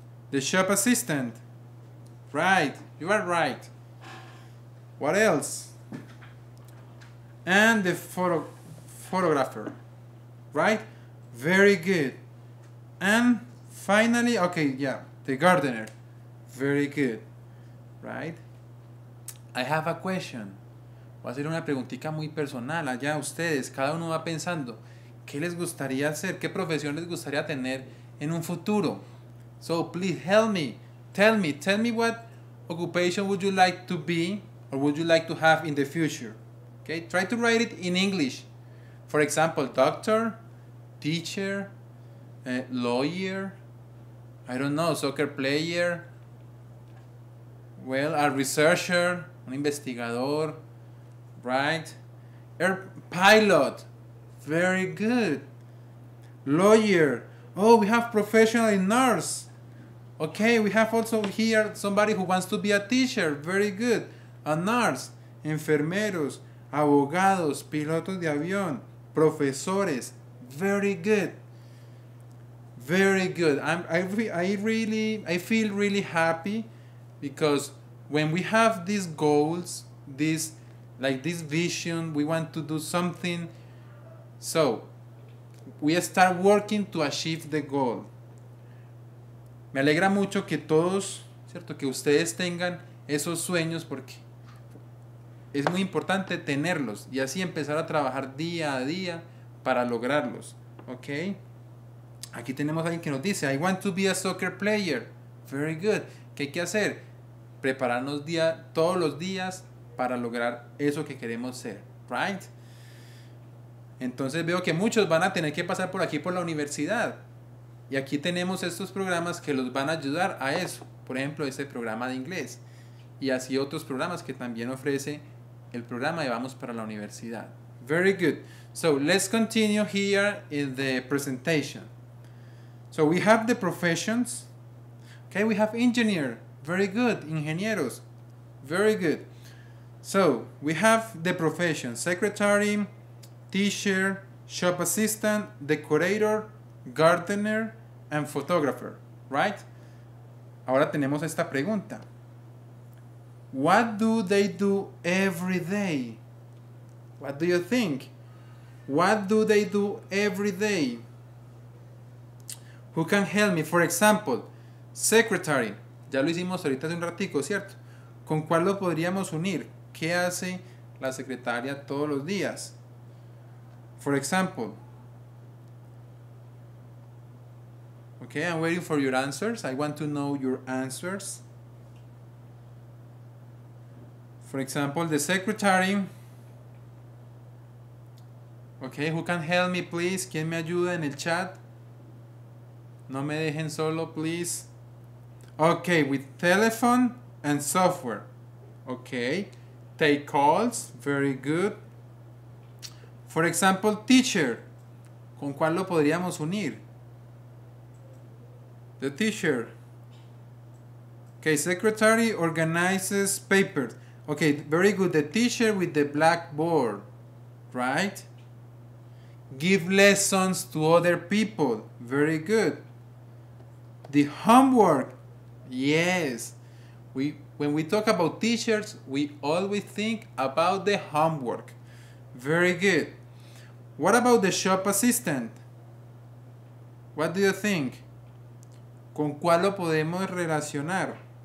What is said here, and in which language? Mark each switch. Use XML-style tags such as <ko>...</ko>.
<en>The shop assistant. Right. You are right. What else? And the photographer. Right? Very good. And finally, okay, yeah, the gardener. Very good. Right? I have a question.</en> <es>Voy a hacer una preguntita muy personal allá a ustedes. Cada uno va pensando, ¿qué les gustaría hacer? ¿Qué profesión les gustaría tener en un futuro?</es> <en>So please help me. Tell me what occupation would you like to be or would you like to have in the future? Okay, try to write it in English. For example, doctor, teacher, lawyer, I don't know, soccer player, well, a researcher,</en> <es>un investigador,</es> <en>right? Air pilot, very good. Lawyer, oh, we have professional in nurse. Okay, we have also here somebody who wants to be a teacher. Very good. A nurse,</en> <es>enfermeros, abogados, pilotos de avión, profesores.</es> <en>Very good. Very good. I feel really happy because when we have these goals, this vision, we want to do something. So, we start working to achieve the goal.</en> <es>Me alegra mucho que todos, ¿cierto? Que ustedes tengan esos sueños porque es muy importante tenerlos y así empezar a trabajar día a día para lograrlos, ¿ok? Aquí tenemos a alguien que nos dice,</es> <en>I want to be a soccer player. Very good.</en> <es>¿Qué hay que hacer? Prepararnos día, todos los días para lograr eso que queremos ser, right? Entonces veo que muchos van a tener que pasar por aquí por la universidad. Y aquí tenemos estos programas que los van a ayudar a eso. Por ejemplo, este programa de inglés. Y así otros programas que también ofrece el programa de Vamos para la Universidad.</es> <en>Very good. So let's continue here in the presentation. So we have the professions. Okay, we have engineer. Very good. Ingenieros. Very good. So we have the professions. Secretary, teacher, shop assistant, decorator, gardener and photographer, right?</en> <es>Ahora tenemos esta pregunta.</es> <en>What do they do every day? What do you think? What do they do every day? Who can help me? For example, secretary.</en> <es>Ya lo hicimos ahorita hace un ratico, ¿cierto? ¿Con cuál lo podríamos unir? ¿Qué hace la secretaria todos los días?</es> <en>For example, okay, I'm waiting for your answers. I want to know your answers. For example, the secretary. Okay, who can help me, please?</en> <es>¿Quién me ayuda en el chat? No me dejen solo, please.</es> <en>Okay, with telephone and software. Okay, take calls. Very good. For example, teacher. ¿Con cuál lo podríamos unir? The teacher. Okay, secretary organizes papers. Okay, very good. The teacher with the blackboard, right? Give lessons to other people. Very good. The homework. Yes. When we talk about teachers, we always think about the homework. Very good. What about the shop assistant? What do you think?</en> <es>¿Con cuál lo podemos relacionar?</es>